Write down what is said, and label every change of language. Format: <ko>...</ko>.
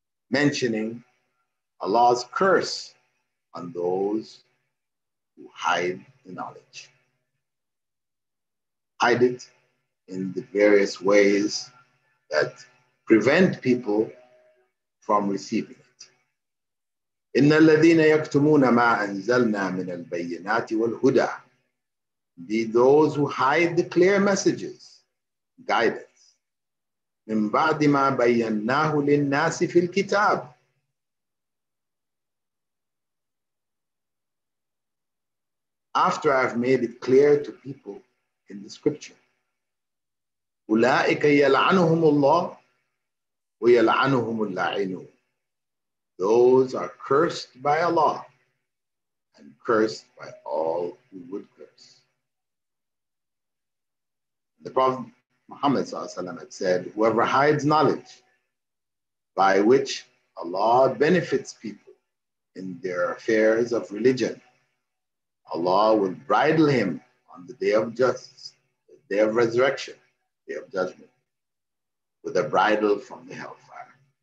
<en>mentioning Allah's curse on those who hide the knowledge, hide it in the various ways that prevent people from receiving.</en> <ar>إن الذين يكتمون ما أنزلنا من البينات والهدى.</ar> <en>Indeed, those who hide the clear messages, guidance.</en> <ar>من بعد ما بيناه للناس في الكتاب.</ar> <en>After I've made it clear to people in the scripture.</en> <ar>أولئك يلعنهم الله ويلعنهم اللاعنون.</ar> <en>Those are cursed by Allah and cursed by all who would curse. The Prophet Muhammad had said, whoever hides knowledge by which Allah benefits people in their affairs of religion, Allah will bridle him on the day of justice, the day of resurrection, day of judgment, with a bridle from the hellfire.</en>